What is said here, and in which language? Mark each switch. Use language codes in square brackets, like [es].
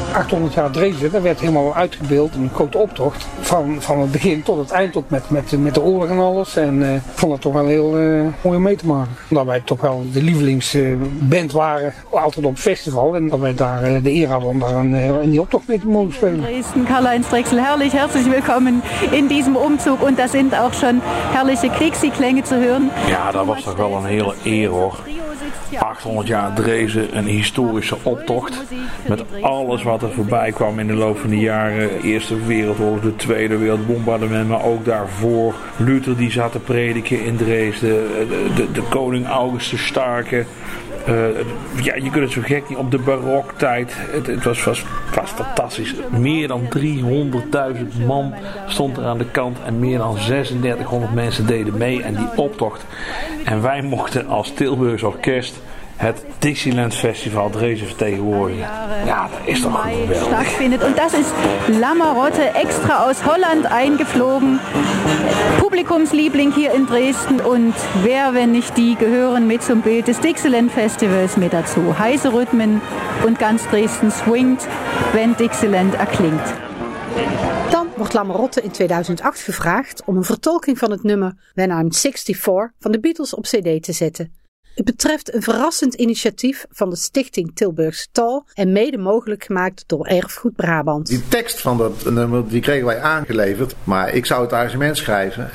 [nl] ...800 jaar Dresden, dat werd helemaal uitgebeeld, een grote optocht. Van het begin tot het eind, ook met de oorlog en alles. En ik vond dat toch wel heel mooi om mee te maken. Omdat wij toch wel de lievelingsband waren, altijd op festival. En dat wij daar de eer hadden om daar in die optocht mee te mogen spelen. [de] Dresden, Karl-Heinz Drechsel, herrlich, herzlich willkommen in diesem Umzug. [nl] En daar zijn ook [de] schon herrliche Kriegsklänge [nl] te horen. Ja, dat was toch wel een hele eer, hoor. 800 jaar Dresden, een historische optocht. Met alles wat er voorbij kwam in de loop van de jaren. Eerste Wereldoorlog, de Tweede Wereldbombardement. Maar ook daarvoor Luther die zat te prediken in Dresden. De koning August de Starke. Ja, je kunt het zo gek niet op de baroktijd. Het was fantastisch. Meer dan 300.000 man stond er aan de kant. En meer dan 3600 mensen deden mee aan die optocht. En wij mochten als Tilburgs orkest het Dixieland Festival Dresden vertegenwoordigen. Ja, dat is toch geweldig. En dat is Lammerotte extra uit Holland ingevlogen. [de] Publikumsliebling hier in Dresden. En wer, wenn nicht die, gehören mit zum Bild des Dixieland Festivals mit dazu. Heiße Rhythmen und ganz Dresden swingt, wenn Dixieland erklingt. [nl] Dan wordt Lammerotte in 2008 gevraagd om een vertolking van het nummer When I'm 64 van de Beatles op cd te zetten. Het betreft een verrassend initiatief van de Stichting Tilburgse Tal en mede mogelijk gemaakt door Erfgoed Brabant. Die tekst van dat nummer, die kregen wij aangeleverd, maar ik zou het arrangement schrijven.